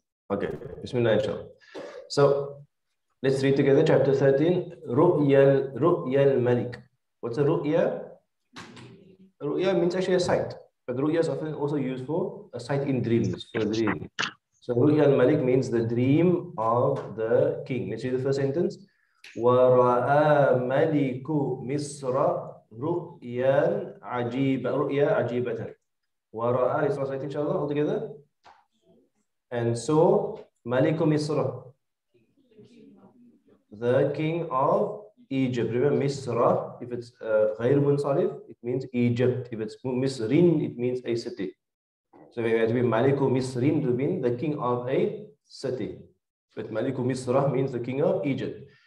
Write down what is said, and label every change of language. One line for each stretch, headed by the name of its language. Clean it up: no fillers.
English: Okay, Bismillah, inshallah. So let's read together chapter 13. Ru'ya al-Malik. What's a ru'ya? Ru'ya means actually a sight, but ru'ya is often also used for a sight in dreams, for a dream. So ru'ya al-Malik means the dream of the king. Let's read the first sentence.
Arabic: وَرَآ مَلِكُ مِصْرَ رُؤْيًا عَجِيبًا رُؤْيَا عَجِيبَةً وَرَآ
English: is translated inshallah all together. And so
Arabic: مَلِكُ مِصْرَ,
English: the king of Egypt. Remember مِصْرَ, if it's غَيْر مُنْصَرِف it means Egypt, if it's مِصْرِن it means a city. So we have to be
Arabic: مَلِكُ مِصْرِن
English: to mean the king of a city, but
Arabic: مَلِكُ مِصْرَ
English: means the king of Egypt.